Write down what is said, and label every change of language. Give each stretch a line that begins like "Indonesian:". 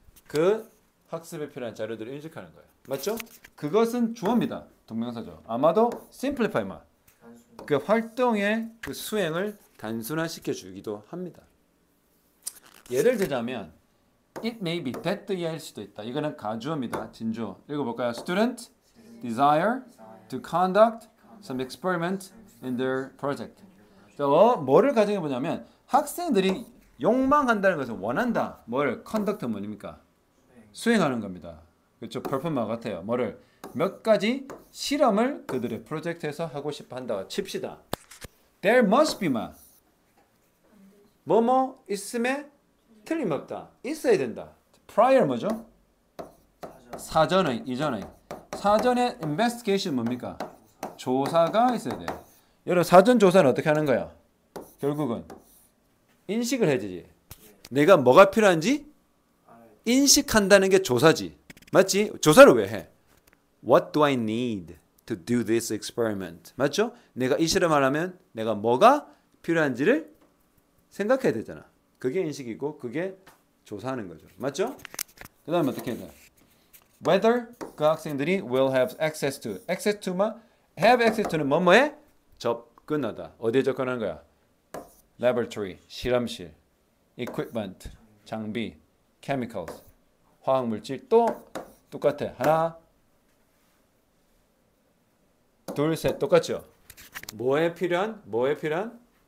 Korean: 그 학습에 필요한 자료들을 인식하는 거야. 맞죠? 그것은 주어입니다. 동명사죠. 아마도 simplify 말. 그 활동의 그 수행을 단순화시켜주기도 합니다. 예를 들자면
English: it may be that the
Korean: 이할 수도 있다. 이거는 가주어입니다. 진주어. 읽어볼까요?
English: student desire to conduct some experiment in their project.
Korean: 뭐를 가정해 보냐면 학생들이 욕망한다는 것은 원한다. 뭐를? 컨덕트 뭐입니까? 수행하는 겁니다. 그렇죠? 퍼포먼스 같아요. 뭐를? 몇 가지 실험을 그들의 프로젝트에서 하고 싶어 한다고 칩시다.
English: There must be
Korean: 마. 뭐뭐 있음에 틀림없다. 있어야 된다. Prior 뭐죠? 사전의, 이전의. 사전의 investigation 뭡니까? 조사가 있어야 돼요. 여러분 사전 조사는 어떻게 하는 거야? 결국은 인식을 해야지. 내가 뭐가 필요한지 인식한다는 게 조사지. 맞지? 조사를 왜 해?
English: What do I need to do this experiment?
Korean: 맞죠? 내가 이 실험을 하면 내가 뭐가 필요한지를 생각해야 되잖아. 그게 인식이고 그게 조사하는 거죠. 맞죠? 그 다음에 어떻게 해야 돼?
English: Whether
Korean: 그 학생들이
English: will have access to. Access to 뭐? Have access to는 뭐뭐에?
Korean: 접근하다. 어디에 접근하는 거야? Laboratory, 실험실, equipment, 장비, chemicals, 화학물질. 또 똑같아. 하나, 둘, 셋. 똑같죠? 뭐에 필요한? 뭐에 필요한?